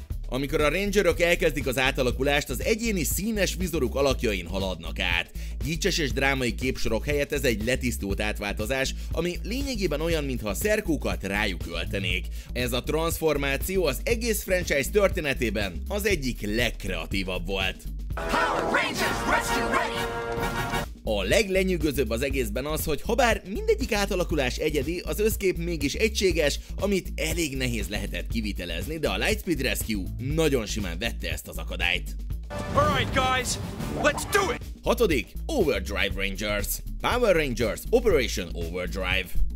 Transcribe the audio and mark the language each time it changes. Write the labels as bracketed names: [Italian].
[Hungarian] Amikor a rangerök elkezdik az átalakulást, az egyéni színes vizoruk alakjain haladnak át. Gicses és drámai képsorok helyett ez egy letisztult átváltozás, ami lényegében olyan, mintha a szerkókat rájuk öltenék. Ez a transformáció az egész franchise történetében az egyik legkreatívabb volt. [English] Power Rangers, rescue ready! [Hungarian] A leglenyűgözőbb az egészben az, hogy habár mindegyik átalakulás egyedi, az összkép mégis egységes, amit elég nehéz lehetett kivitelezni, de a Lightspeed Rescue nagyon simán vette ezt az akadályt. [English] Alright guys, let's do it! 6. Overdrive Rangers, Power Rangers Operation Overdrive.